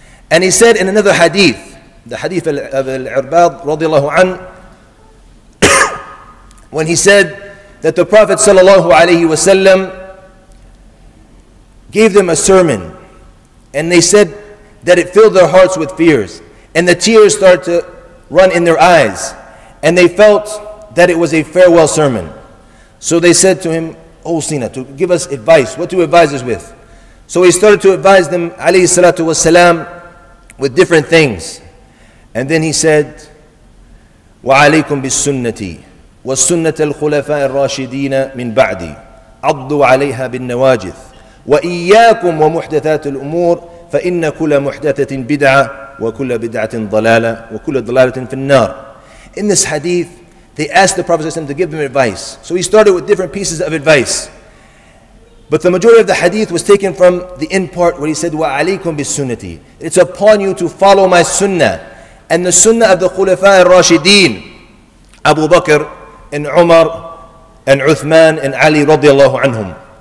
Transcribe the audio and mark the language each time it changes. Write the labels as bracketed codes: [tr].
[en] And he said in another hadith, the hadith of al-Irbad radiallahu an, when he said that the Prophet sallallahu alayhi wasallam gave them a sermon, and they said that it filled their hearts with fears, and the tears started to run in their eyes, and they felt that it was a farewell sermon. So they said to him, "Oh Sina, to give us advice, what to advise us with?" So he started to advise them, alayhi salatu wasalam, with different things. [ar] And then he said, وَعَلَيْكُمْ بِالسُّنَّةِ وَالسُنَّةَ الْخُلَفَاءِ الرَّاشِدِينَ مِنْ بَعْدِ عَضُّوا عَلَيْهَا بِالنَّوَاجِثِ وَإِيَّاكُمْ وَمُحْدَثَاتِ الْأُمُورِ فَإِنَّ كُلَّ مُحْدَثَةٍ بِدْعَةٍ وَكُلَّ بِدْعَةٍ ضَلَالَةٍ وَكُلَّ ضَلَالَةٍ فِي النَّارِ. [en] In this hadith, they asked the Prophet ﷺ to give them advice. So he started with different pieces of advice. But the majority of the hadith was taken from the end part where he said, [ar] وَعَلَيْكُمْ بِالسُّنَّةِ, [en] it's upon you to follow my sunnah. And the sunnah of the Khulafa al-Rashideen, Abu Bakr and Umar and Uthman and Ali radiallahu anhum.